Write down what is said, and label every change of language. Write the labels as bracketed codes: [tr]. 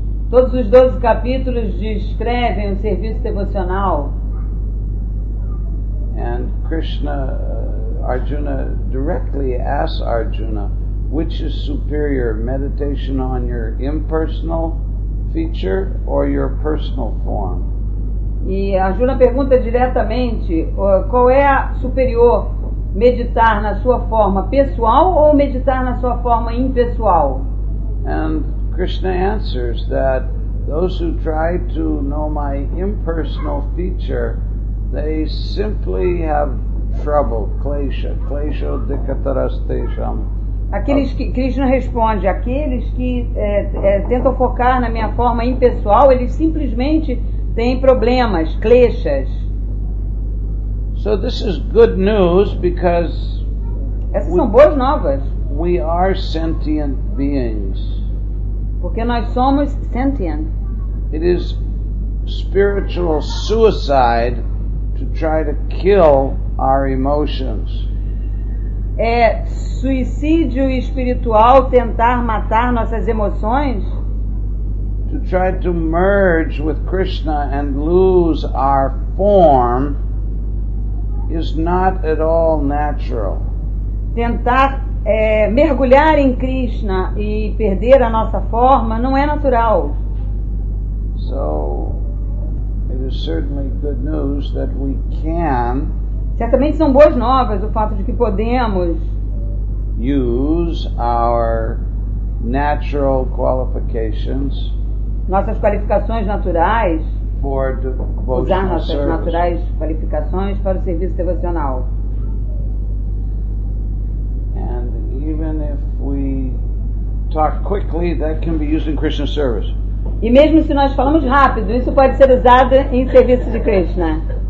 [pt] Todos os 12 capítulos descrevem o serviço devocional. [en] And Krishna, Arjuna directly asks Arjuna, which is superior, meditation on your impersonal feature or your personal form? [pt] E Arjuna pergunta diretamente, qual é a superior, meditar na sua forma pessoal ou meditar na sua forma impessoal? [en] And Krishna answers that those who try to know my impersonal feature, they simply have trouble, klesha, [sa] klesha dikataraste-sham. [pt] Aqueles que, Krishna responde, aqueles que tentam focar na minha forma impessoal, eles simplesmente têm problemas, kleshas. [en] So this is good news because [pt] essas são boas novas. [en] We are sentient beings. [pt] Porque nós somos sentient. [en] It is spiritual suicide to try to kill our emotions. [pt] É suicídio espiritual tentar matar nossas emoções? [en] To try to merge with Krishna and lose our form is not at all natural. [pt] Tentar mergulhar em Krishna e perder a nossa forma não é natural. [en] So, it is certainly good news that we can. [pt] Certamente são boas novas o fato de que podemos [en] use our natural qualifications, [pt] nossas qualificações naturais, [en] for devotional [pt] usar nossas [en] service. [pt] Naturais qualificações para o serviço devocional. [en] And even if we talk quickly, that can be used in Krishna service. [pt] E mesmo se nós falamos rápido, isso pode ser usado em serviço de Krishna.